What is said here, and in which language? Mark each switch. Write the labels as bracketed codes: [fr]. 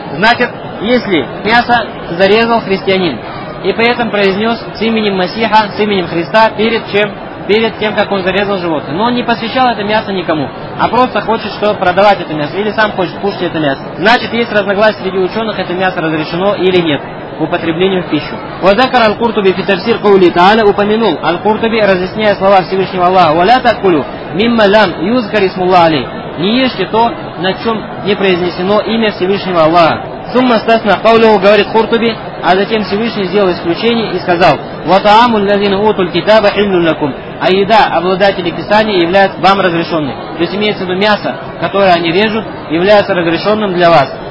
[ru] Значит, если мясо зарезал христианин и при этом произнес с именем Масиха, с именем Христа, перед тем, как он зарезал животное. Но он не посвящал это мясо никому, а просто хочет, что продавать это мясо, или сам хочет кушать это мясо. Значит, есть разногласие среди ученых, это мясо разрешено или нет к употреблению в пищу. [ar] وَذَكَرَ Аль-Куртуби فِي تَفْسِيرِ قَوْلِهِ تَعَالَى. [ru] Упомянул Аль-Куртуби, разъясняя слова Всевышнего Аллаха, [ar] وَلَا تَأْكُلُوا مِمَّا لَمْ يُذْكَرِ اسْمُ اللَّهِ عَلَيْهِ. [ru] Не ешьте то, на чем не произнесено имя Всевышнего Аллаха. [ar] ثُمَّ اسْتَثْنَى قَوْلُهُ, [ru] говорит Куртуби, а затем Всевышний сделал исключение и сказал, [ar] وَطَعَامُ الَّذِينَ أُوتُوا الْكِتَابَ حِلٌّ لَكُمْ. [ru] А еда обладателей Писания является вам разрешенной. То есть имеется в виду мясо, которое они режут, является разрешенным для вас.